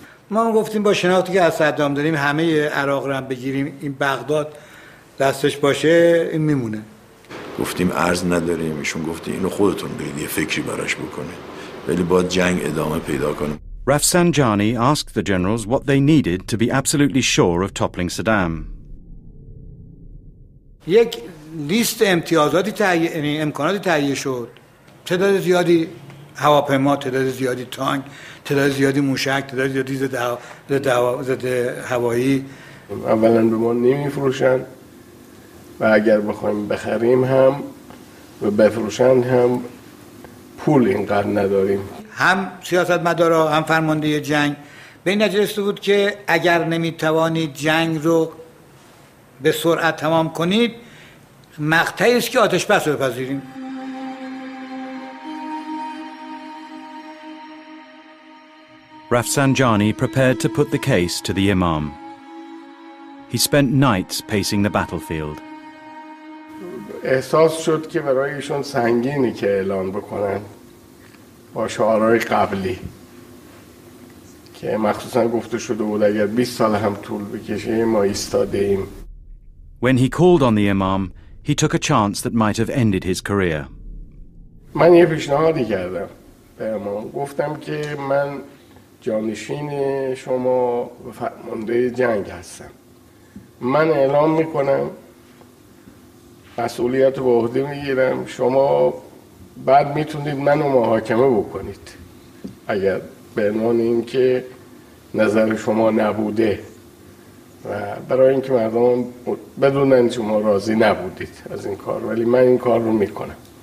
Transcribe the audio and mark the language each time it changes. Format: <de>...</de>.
<fa>ما هم گفتیم با شناختی که از صدام داریم همه عراق رو هم بگیریم این بغداد دستش باشه این میمونه. گفتیم عرض نداریم. ایشون گفت اینو خودتون برید یه فکری براش بکنید. ولی باید جنگ ادامه پیدا کنه.</fa> <en>Rafsanjani asked the generals what they needed to be absolutely sure of toppling Saddam.</en> <fa>یک لیست امتیازاتی امکاناتی تهیه شد. تعداد زیادی هواپیما، تعداد زیادی تانک، تعداد زیادی موشک، تعداد زیادی ضد هوایی. اولا به ما نمی فروشن و اگر بخوایم بخریم هم و بفروشن هم پول اینقدر نداریم. هم سیاستمدارا هم فرمانده جنگ به این نتیجه رسیده بود که اگر نمی توانید جنگ رو به سرعت تمام کنید مقطعی است که آتش بس رو بپذیریم.</fa> <en>Rafsanjani prepared to put the case to the imam. He spent nights pacing the battlefield.</en> <fa>احساس شد که برایشون سنگینه که اعلان بکنن با شعارهای قبلی که مخصوصا گفته شده بود اگر 20 سال هم طول بکشه ما ایستاده ایم.</fa> <en>When he called on the imam, he took a chance that might have ended his career.</en> <fa>من یه پیشنهادی کردم به امام. گفتم که من جانشین شما و فرمانده جنگ هستم. من اعلام میکنم، مسئولیت رو به عهده میگیرم، شما بعد میتونید منو محاکمه بکنید اگر به عنوان این که نظر شما نبوده و برای اینکه مردم بدونن شما راضی نبودید از این کار، ولی من این کار رو میکنم.</fa>